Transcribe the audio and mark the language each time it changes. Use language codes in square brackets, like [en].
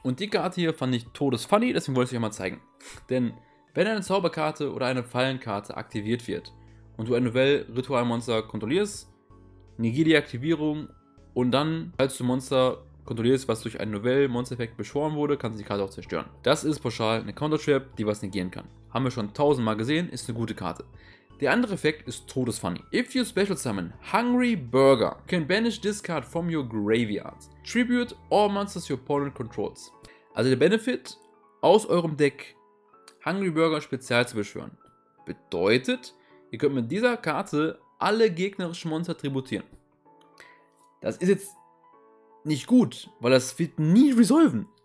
[de] Und die Karte hier fand ich todesfunny, deswegen wollte ich es euch mal zeigen. Denn wenn eine Zauberkarte oder eine Fallenkarte aktiviert wird und du ein Novell-Ritualmonster kontrollierst, negier die Aktivierung und dann, falls du Monster kontrollierst, was durch einen Novell-Monster-Effekt beschworen wurde, kannst du die Karte auch zerstören. Das ist pauschal eine Counter-Trap, die was negieren kann. Haben wir schon tausendmal gesehen, ist eine gute Karte. Der andere Effekt ist todesfunny. [en] If you special summon Hungry Burger, you can banish this card from your graveyard. Tribute all monsters your opponent controls. [de] Also der Benefit, aus eurem Deck Hungry Burger spezial zu beschwören, bedeutet, ihr könnt mit dieser Karte alle gegnerischen Monster tributieren. Das ist jetzt nicht gut, weil das wird nie resolven.